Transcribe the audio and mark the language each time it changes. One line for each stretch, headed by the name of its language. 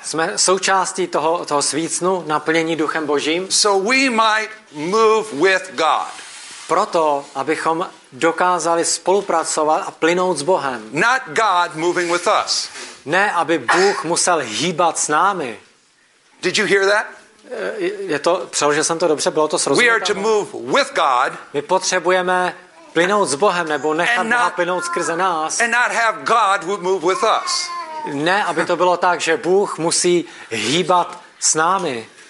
Czech: Jsme součástí toho svícnu, naplnění Duchem Božím.
English: So we might move with God.
Czech: Proto abychom dokázali spolupracovat a plynout s Bohem.
English: Not God moving with us.
Czech: Ne, aby Bůh musel hýbat s námi.
English: Did you hear that?
Czech: Je to, přeložil jsem to dobře, bylo to srozumitelné.
English: We are to move with God.
Czech: My potřebujeme plynout s Bohem, nebo nechat Boha plynout skrze nás.
English: And not have God move with us.
Czech: Ne, aby to bylo tak, že Bůh musí hýbat s námi.